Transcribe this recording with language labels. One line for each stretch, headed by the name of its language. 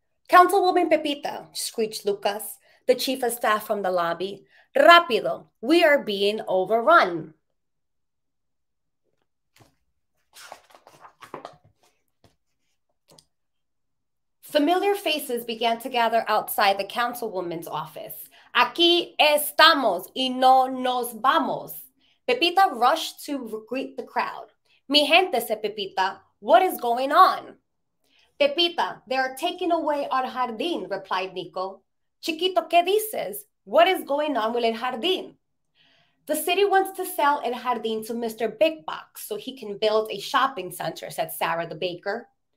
English: Councilwoman Pepita, screeched Lucas, the chief of staff from the lobby. Rápido, we are being overrun. Familiar faces began to gather outside the councilwoman's office.
Spanish: Aquí estamos y no nos vamos.
English: Pepita rushed to greet the crowd.
Spanish: Mi gente,
English: said Pepita, what is going on? Pepita, they are taking away our jardín, replied Nico.
Spanish: Chiquito, ¿qué dices?
English: What is going on with el jardín? The city wants to sell el jardín to Mr. Big Box so he can build a shopping center, said Sarah the baker.